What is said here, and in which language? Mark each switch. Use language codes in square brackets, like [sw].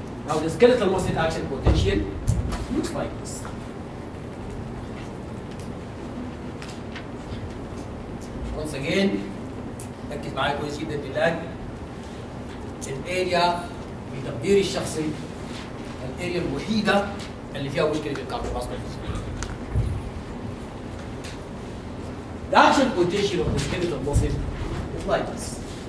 [en] Now the skeletal muscle action potential looks like this. Once again, [ar] ركز معايا كويس جدا في اللاج. الاريا بتقديري الشخصي الاريا الوحيدة اللي فيها مشكلة في الكارديو فاسكولار سيستم. [en] The action potential of the skeletal muscle is like this.